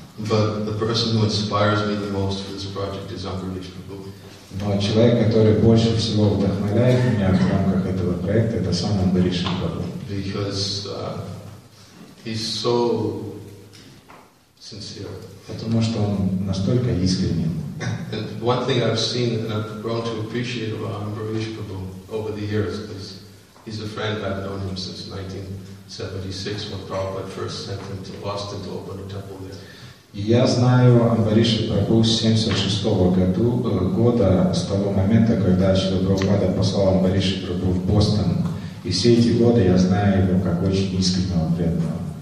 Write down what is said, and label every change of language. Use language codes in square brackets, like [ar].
[en] But the person who inspires me the most for this project is Ambarish Prabhu. [ru] Но человек, который больше всего вдохновляет меня в рамках этого проекта, это сам Ambarish Prabhu. [en] Because he's so sincere. [ru] Потому что он настолько искренен. [en] And one thing I've seen and I've grown to appreciate about Ambarish Prabhu over the years is he's a friend. I've known him since 1976 when Prabhupada first sent him to Boston to open a temple there. [ru] Я знаю Амбариша Прабху с 76 года, с того момента, когда Шрила Прабхупада послал Амбариша Прабху в Бостон. И все эти годы я знаю его как очень искреннего преданного.